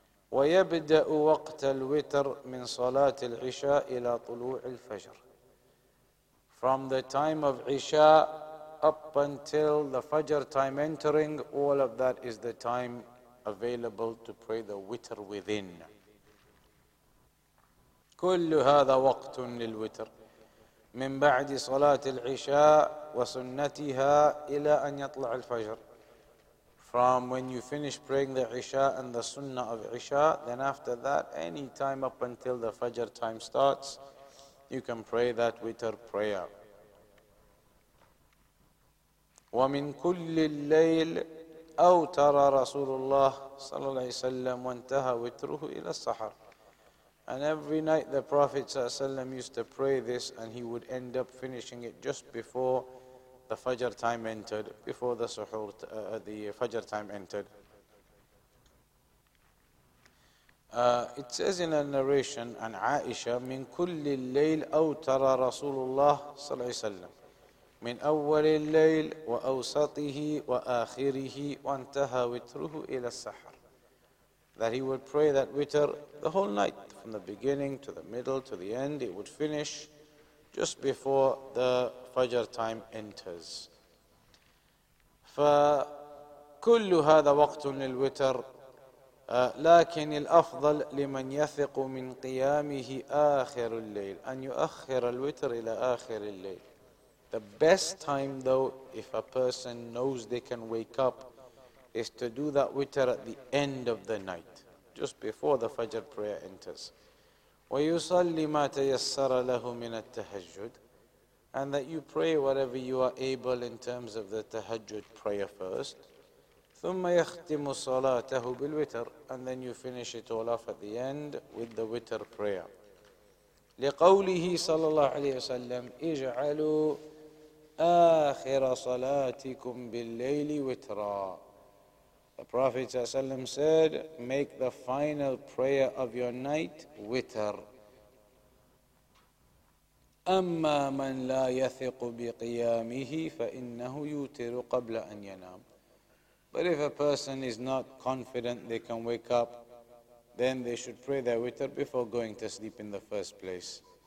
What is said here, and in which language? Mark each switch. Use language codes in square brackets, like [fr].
[ar] ويبدأ وقت الوتر من صلاة العشاء إلى طلوع الفجر. [en] From the time of Isha up until the Fajr time entering, all of that is the time available to pray the witr within. [ar] كل هذا وقت للوتر من بعد صلاة العشاء وسنتها إلى أن يطلع الفجر. [en] From when you finish praying the Isha and the Sunnah of Isha, then after that, any time up until the Fajr time starts, you can pray that witr prayer. [ar] ومن كل الليل أو ترى رسول الله صلى الله عليه وسلم وانتهى وتره إلى السحر. [en] And every night the Prophet صلى الله عليه وسلم used to pray this, and he would end up finishing it just before the Fajr time entered, before the suhoor, the Fajr time entered. It says in a narration, [ar] عن عائشة من كل الليل أو ترى رسول الله صلى الله عليه وسلم من أول الليل وأوسطه وآخره وانتهى وتره إلى السحر. [en] That he would pray that witr the whole night, from the beginning to the middle to the end, it would finish just before the Fajr time enters. [ar] فكل هذا وقت للوتر لكن الأفضل لمن يثق من قيامه آخر الليل أن يؤخر الوتر إلى آخر الليل. [en] The best time though, if a person knows they can wake up, is to do that witr at the end of the night, just before the Fajr prayer enters. [ar] ويصلي ما تيسر له من التهجد, [en] and that you pray whatever you are able in terms of the tahajjud prayer first. [ar] ثم يختم صلاته بالوتر, [en] and then you finish it all off at the end with the witr prayer. [ar] لقوله صلى الله عليه وسلم اجعلوا آخر صلاتكم بالليل وترا. [en] The Prophet ﷺ said, make the final prayer of your night witr. [ar] أما من لا يثق بقيامه فإنه يوتر قبل أن ينام. [en] But if a person is not confident they can wake up, then they should pray their witr before going to sleep in the first place.